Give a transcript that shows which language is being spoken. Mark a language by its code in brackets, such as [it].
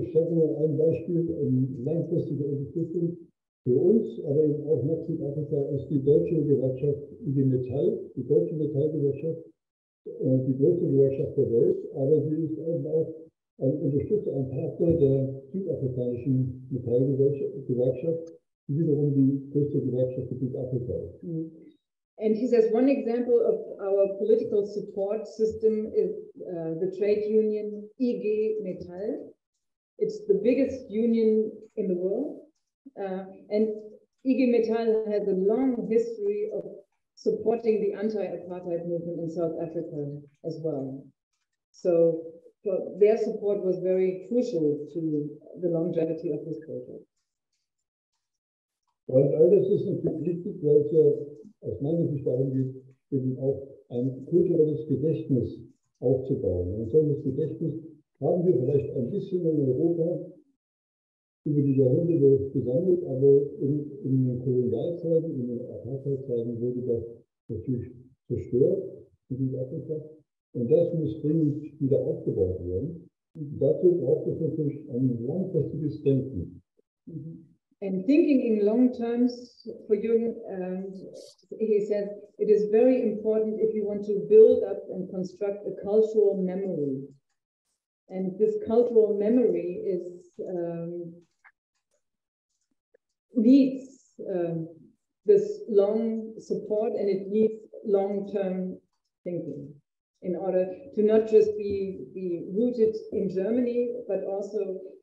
[de] Ich stelle mal ein Beispiel, langfristige Unterstützung für uns, aber eben auch noch zu Afrika, ist die deutsche Gewerkschaft IG Metall, die deutsche Metallgewerkschaft, die größte Gewerkschaft der Welt, aber sie ist eben auch ein Unterstützer, ein Partner der südafrikanischen Metallgewerkschaft, die wiederum die größte Gewerkschaft in Südafrika ist. Mhm. [en] And he says one example of our political support system is the trade union IG Metall. It's the biggest union in the world. And IG Metall has a long history of supporting the anti-apartheid movement in South Africa as well. So their support was very crucial to the longevity of this project. [de] Und all das ist natürlich wichtig, weil es ja aus meiner Sicht darum geht, eben auch ein kulturelles Gedächtnis aufzubauen. Ein solches Gedächtnis haben wir vielleicht ein bisschen in Europa über die Jahrhunderte gesammelt, aber in den Kolonialzeiten, in den Apartheidzeiten wurde das natürlich zerstört in Südafrika. Und das muss dringend wieder aufgebaut werden. Und dazu braucht es natürlich ein langfristiges Denken. [en] And thinking in long terms for Jürgen, he said it is very important if you want to build up and construct a cultural memory. And this cultural memory is needs this long support, and it needs long-term thinking in order to not just be rooted in Germany, but also